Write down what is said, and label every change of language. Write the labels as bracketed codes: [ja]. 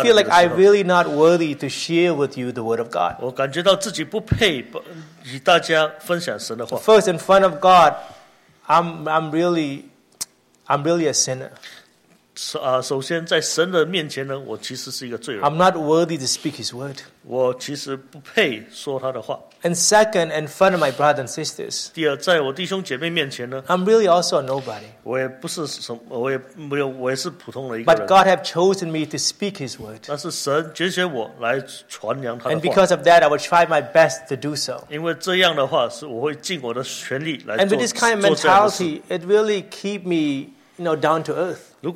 [en] I just feel like I'm really not worthy to share with you the word of God. [zh] 我感觉到自己不配与大家分享神的话。 [en] First, in front of God, I'm really a sinner. [zh] 首先在神的面前呢，我其实是一个罪人。 [en] I'm not worthy to speak his word. [zh] 我其实不配说他的话。 [en] And second, in front of my brothers and sisters. [zh] 第二，在我弟兄姐妹面前呢， [en] I'm really also a nobody. [zh] 我也不是什么，我也没有，我也是普通的一个人。 [en] But God have chosen me to speak his word. [zh] 但是神拣选我来传扬他的话。 [en] And because of that, I will try my best to do so. [zh] 因为这样的话，是我会尽我的全力来做。 [en] And with this kind of mentality, it really keep me, you know, down to earth.